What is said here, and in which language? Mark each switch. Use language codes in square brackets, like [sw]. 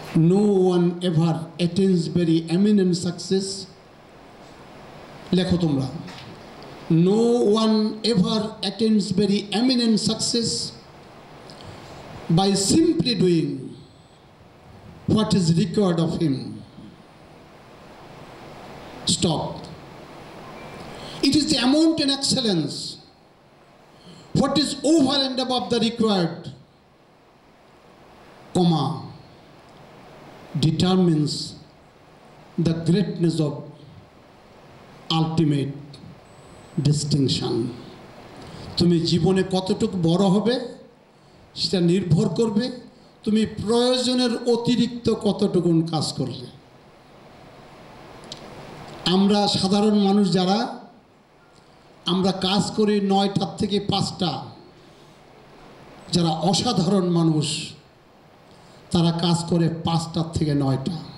[en] no one ever attains very eminent success, [bn] লেখো তোমরা, [en] No one ever attains very eminent success by simply doing what is required of him. Stop, It is the amount and excellence. What is over and above the required, comma, determines the greatness of ultimate distinction. [bn] তুমি জীবনে কতটুকু বড় হবে সেটা নির্ভর করবে তুমি প্রয়োজনের অতিরিক্ত কতটুকু কাজ করলে আমরা সাধারণ মানুষ যারা আমরা কাজ করি 9টা থেকে 5টা যারা অসাধারণ মানুষ তারা কাজ করে 5টা থেকে 9টা